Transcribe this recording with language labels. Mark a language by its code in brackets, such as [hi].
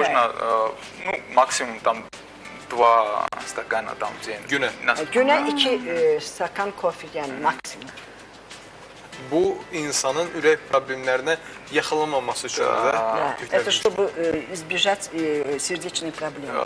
[ru] Можно, ну, максимум там 2 стакана там в день. [az] Гюне. Гюне 2 стакан кофе, yani максимум. Bu, insanın ürək problemlərinə yaxılamaması üçün də. [ru] Da. Это чтобы избежать сердечных проблем.